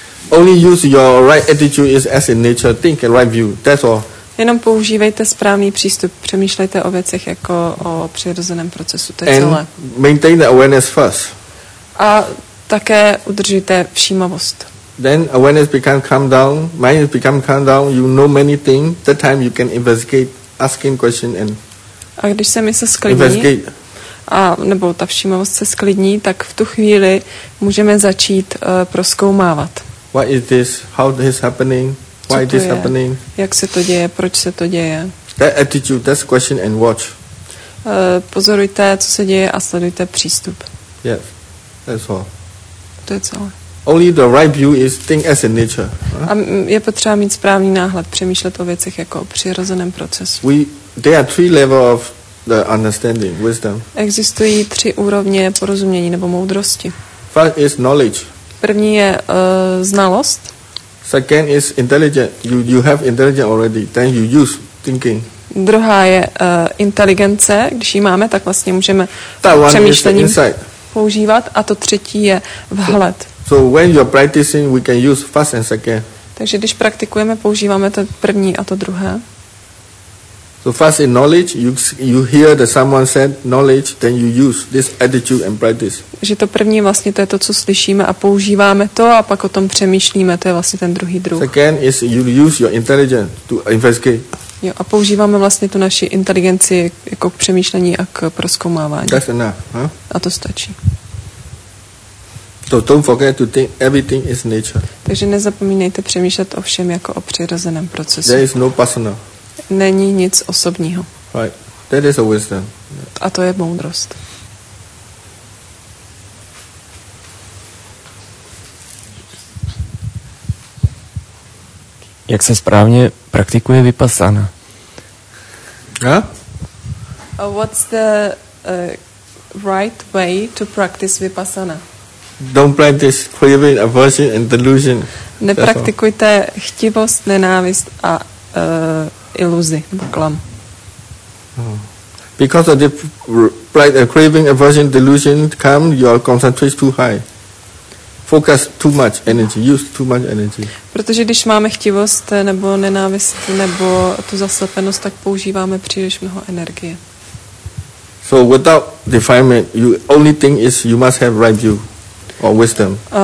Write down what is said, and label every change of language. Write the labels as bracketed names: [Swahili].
[English] Only use your right attitude is as in nature, think and right view. That's all. [Czech] Jenom používejte správný přístup, přemýšlejte o věcech jako o přirozeném procesu, to je celé. [English] Maintain the awareness first. [Czech] A také udržujte všímavost. [English] Then awareness become calm down, mind become calm down, you know many things, that time you can investigate, asking question and [Czech] a když se mysl sklidní, nebo ta všímavost se sklidní, tak v tu chvíli můžeme začít prozkoumávat. [English] What is this? How this happening? Why this happening? [Czech] Jak se to děje? Proč se to děje? [English] That attitude, that's question and watch. [Czech] Pozorujte, co se děje a sledujte přístup. [English] Yes, that's all. [Czech] To je celé. [English] Only the right view is think as in nature. [Czech] A je potřeba mít správný náhled, přemýšlet o věcech jako o přirozeném procesu. [English] There are three levels of The understanding, wisdom. [Czech] Existují tři úrovně porozumění nebo moudrosti. [English] First is knowledge. [Czech] První je znalost. [English] Second is intelligent. You have intelligent already, then you use thinking. [Czech] Druhá je inteligence, když ji máme, tak vlastně můžeme přemýšlením používat. A to třetí je vhled. [English] So when you're practicing, we can use first and second. [Czech] Takže když praktikujeme, používáme to první a to druhé. [English] So first in knowledge, you hear that someone said knowledge, then you use this attitude and practice. [Czech] Že to první vlastně to je to, co slyšíme a používáme to a pak o tom přemýšlíme, to je vlastně ten druhý druh. [English] Second is you use your intelligence to investigate. [Czech] Jo, a používáme vlastně tu naši inteligenci jako k přemýšlení a k prozkoumávání. [English] That's enough, huh? [Czech] A to stačí. [English] So don't forget to think everything is nature. [Czech] Takže nezapomínejte přemýšlet o všem jako o přirozeném procesu. [English] There is no personal. [Czech] Není nic osobního. [English] Right. That is a wisdom. [Czech] A to je moudrost. Jak se správně praktikuje vipassana? Huh? [English] What's the right way to practice vipassana? Don't practice craving, aversion and delusion. [Czech] Nepraktikujte chtivost, nenávist a iluzi, klam. [English] Because of the craving, aversion, delusion come, your concentration is too high. Focus too much energy, use too much energy. [Czech] Protože když máme chtivost nebo nenávist nebo tu zaslepenost, tak používáme příliš mnoho energie. [English] So without defilement, you only thing is you must have right view or wisdom.